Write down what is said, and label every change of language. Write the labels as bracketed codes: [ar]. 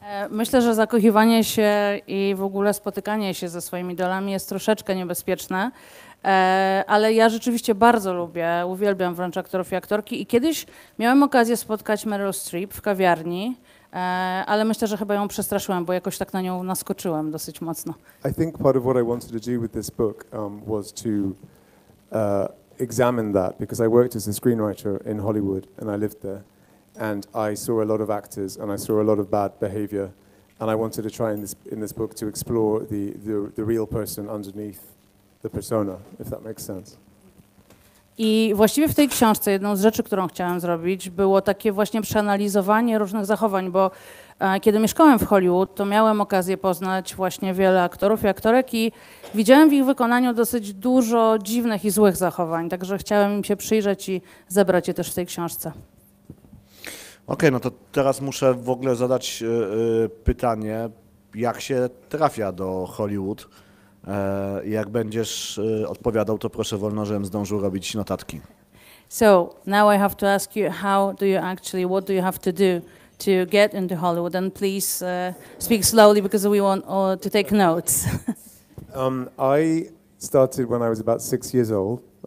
[pl] Myślę, że zakochiwanie się i w ogóle spotykanie się ze swoimi idolami jest troszeczkę niebezpieczne, ale ja rzeczywiście bardzo lubię, uwielbiam wręcz aktorów i aktorki, i kiedyś miałem okazję spotkać Meryl Streep w kawiarni. Ale myślę, że chyba ją przestraszyłem, bo jakoś tak na nią naskoczyłem dosyć mocno. [en] I think part of what I wanted to do with this book was to examine that, because I worked as a screenwriter in Hollywood and I lived there, and I saw a lot of actors and I saw a lot of bad behavior, and I wanted to try in this book to explore the real person underneath the persona, if that makes sense. [pl] I właściwie w tej książce jedną z rzeczy, którą chciałem zrobić, było takie właśnie przeanalizowanie różnych zachowań, bo kiedy mieszkałem w Hollywood, to miałem okazję poznać właśnie wiele aktorów i aktorek i widziałem w ich wykonaniu dosyć dużo dziwnych i złych zachowań, także chciałem im się przyjrzeć i zebrać je też w tej książce. Okej, no to teraz muszę w ogóle zadać pytanie, jak się trafia do Hollywood? Jak będziesz odpowiadał, to proszę wolno, żebym zdążył robić notatki. [en] So, now I have to ask you, how do you actually, what do you have to do to get into Hollywood? And please speak slowly, because we want all to take notes. I started when I was about 6 years old.